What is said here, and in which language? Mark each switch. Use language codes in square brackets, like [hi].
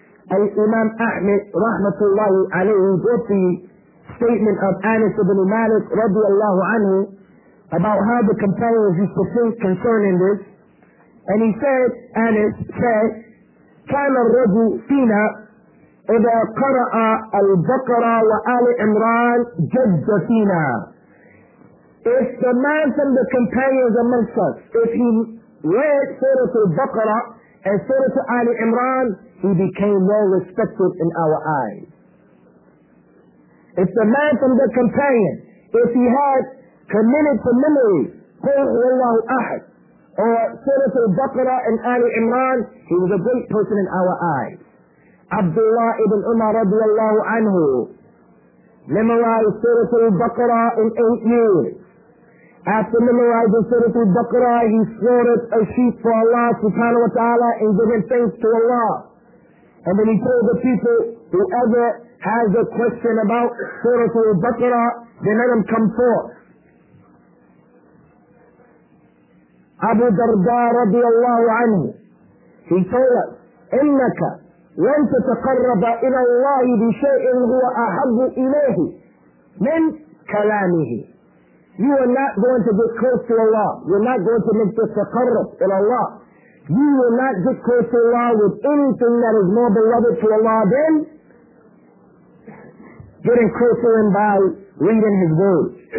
[en] Al-Imam Ahmed rahmatullahi alayhi brought the statement of Anas ibn Malik radiallahu anhu about how the companions used to think concerning this. And he said, Anas said, [ar] كان الرجل فينا إذا قرأ البقرة وآل عمران جد فينا. [en] If the man from the companions amongst us, if he read Surah Al-Baqarah and Surah Ali Imran, he became well respected in our eyes. If the man from the companions, if he had committed to memory, Qul Huwallahu Ahad, or Surah Al-Baqarah and Ali Imran, he was a great person in our eyes. Abdullah ibn Umar radiallahu anhu memorized Surah Al-Baqarah in 8 years. After memorizing Surah Al-Baqarah, he slaughtered a sheep for Allah subhanahu wa ta'ala and given thanks to Allah. And then he told the people, whoever has a question about Surah Al-Baqarah, then let him come forth. Abu Darda radiallahu anhu, he told us, [ar] إِنَّكَ لَن تَتَقَرَّبَ إِلَى اللَّهِ بِشَيْءٍ هُوَ أَحَبُّ إِلَيْهِ مِنْ كَلَامِهِ. [en] You are not going to get close to Allah. You're not going to make the taqarrub in Allah. You will not get close to Allah with anything that is more beloved to Allah than getting closer in by reading His words.